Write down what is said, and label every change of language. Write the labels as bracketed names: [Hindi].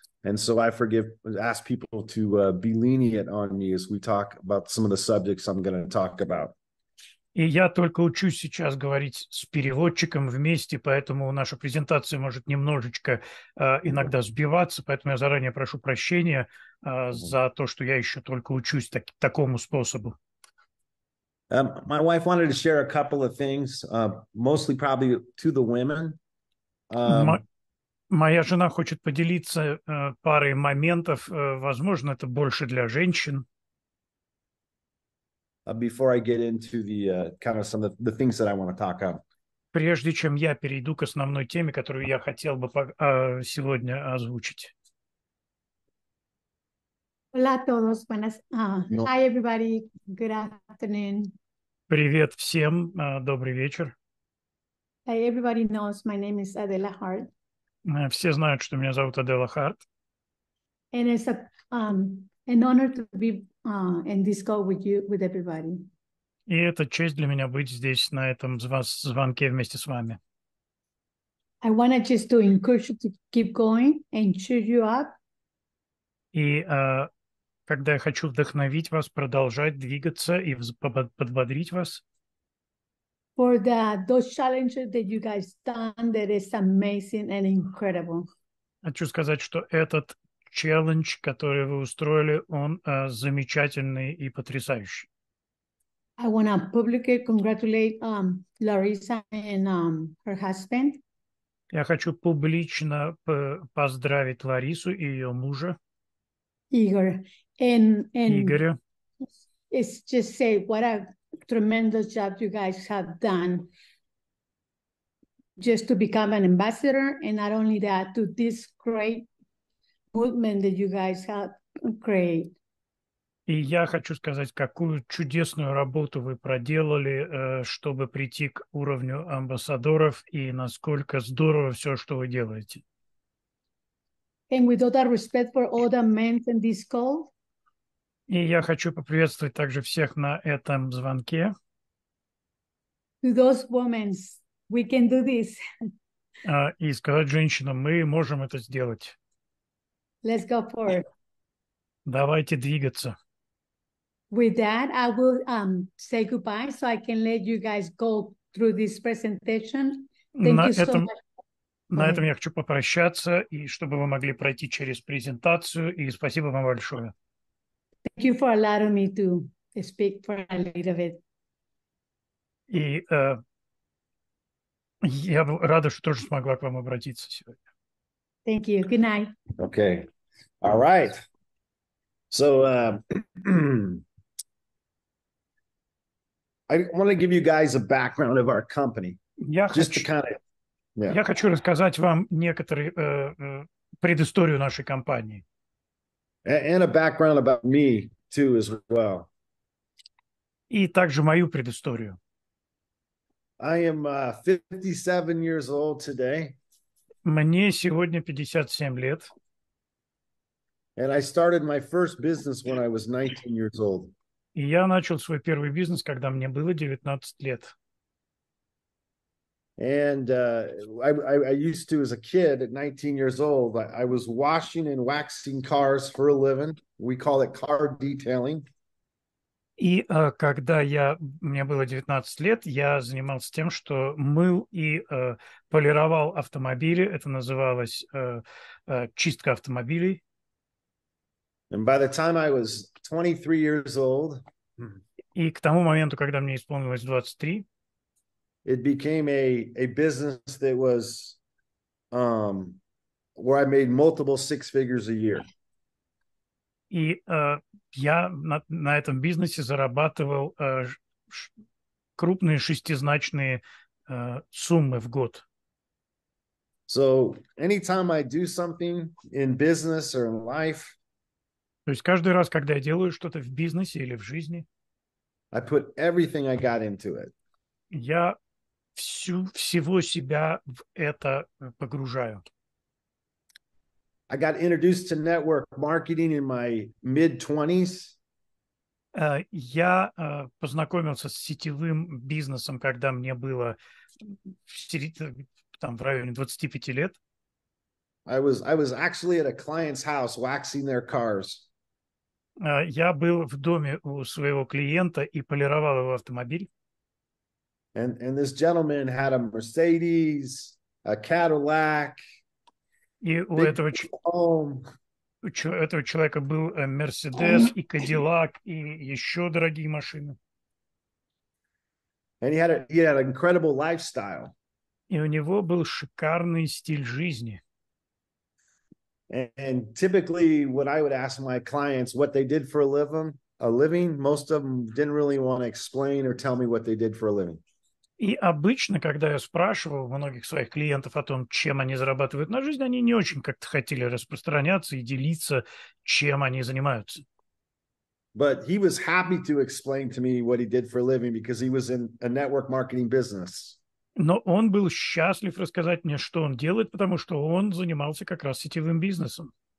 [English] And so I forgive, ask people to be lenient on me as we talk about some of the subjects I'm going to talk about. [Russian] И я только учусь сейчас говорить с переводчиком вместе, поэтому наша презентация может немножечко иногда сбиваться, поэтому я заранее прошу прощения за то, что я еще только учусь такому способу. [English] My wife wanted to share a couple of things, mostly probably to the women. [Russian] Моя жена хочет поделиться парой моментов, возможно, это больше для женщин. [English] Before I get into the kind of some of the things that I want to talk about. [Russian] Прежде чем я перейду к основной теме, которую я хотел бы сегодня озвучить. [Spanish] Hola a todos, buenas. [English] Hi everybody, good afternoon. [Russian] Привет всем, добрый вечер. [English] Hey, everybody knows my name is Adela Hart. [Russian] Все знают, что меня зовут Адела Харт. [English] And it's an honor to be in this call with you, with everybody. [Russian] И это честь для меня быть здесь на этом звонке вместе с вами. [English] I wanted just to encourage you to keep going and cheer you up. [Russian] И когда я хочу вдохновить вас, продолжать двигаться и подбодрить вас. [English] For the those challenges that you guys done, that is amazing and incredible. [Russian] Хочу сказать, что этот челлендж, который вы устроили, он замечательный и потрясающий. [English] I want to publicly congratulate Larissa and her husband. [Russian] Я хочу публично поздравить Ларису и ее мужа. Игорь. Игоря. [English] It's just say what a tremendous job you guys have done just to become an ambassador and not only that, to this great movement that you guys have created. [Russian] И я хочу сказать, какую чудесную работу вы проделали, чтобы прийти к уровню амбассадоров, и насколько здорово все, что вы делаете. [English] And with all that respect for all the men in this call. [Russian] И я хочу поприветствовать также всех на этом звонке. [English] To those women, we can do this. [Russian] И сказать женщинам, мы можем это сделать. [English] Let's go for it. [Russian] Давайте двигаться. [English] With that, I will say goodbye, so I can let you guys go through this presentation. [Russian] На этом я хочу попрощаться, и чтобы вы могли пройти через презентацию. И спасибо вам большое. [English] Thank you for allowing me to speak for a little bit. [Russian] И я рада, что тоже смогла к вам обратиться сегодня. [English] Thank you. Good night. Okay. All right. So I want to give you guys a background of our company. [Russian] Я хочу рассказать вам некоторые предысторию нашей компании. [English] And a background about me too as well. [Russian] И также мою предысторию. [English] I am 57 years old today. [Russian] Мне сегодня 57 лет. [English] And I started my first business when I was 19 years old. [Russian] И я начал свой первый бизнес, когда мне было 19 лет. [English] And I used to, as a kid at 19 years old, I was washing and waxing cars for a living. We call it car detailing. [Russian] И когда мне было 19 лет, я занимался тем, что мыл и полировал автомобили. Это называлось чистка автомобилей. [English] And by the time I was 23 years old, [Russian] и к тому моменту, когда мне исполнилось 23, [English] it became a business that was where I made multiple six figures a year. [Russian] И я на этом бизнесе зарабатывал крупные шестизначные суммы в год? [English] So anytime I do something in business or in life, [Russian] то есть каждый раз, когда я делаю что-то в бизнесе или в жизни, [English] I put everything I got into it. [Russian] Я всего себя в это погружаю. [English] I got introduced to network marketing in my mid-20s. [Russian] Я познакомился с сетевым бизнесом, когда мне было в районе 25 лет. [English] I was actually at a client's house waxing their cars. [Russian] Я был в доме у своего клиента и полировал его автомобиль. [English] And this gentleman had a Mercedes, a Cadillac. [Russian] И у этого человека был Mercedes и Cadillac и еще дорогие машины. [English] And he had an incredible lifestyle. [Russian] И у него был шикарный стиль жизни. [English] And typically, what I would ask my clients what they did for a living, most of them didn't really want to explain or tell me what they did for a living. [Russian] И обычно, когда я спрашивал многих своих клиентов о том, чем они зарабатывают на жизнь, они не очень как-то хотели распространяться и делиться, чем они занимаются. [English] But he was happy to explain to me what he did for a living because he was in a network marketing business. [Russian] Но он был счастлив рассказать мне, что он делает, потому что он занимался как раз сетевым бизнесом.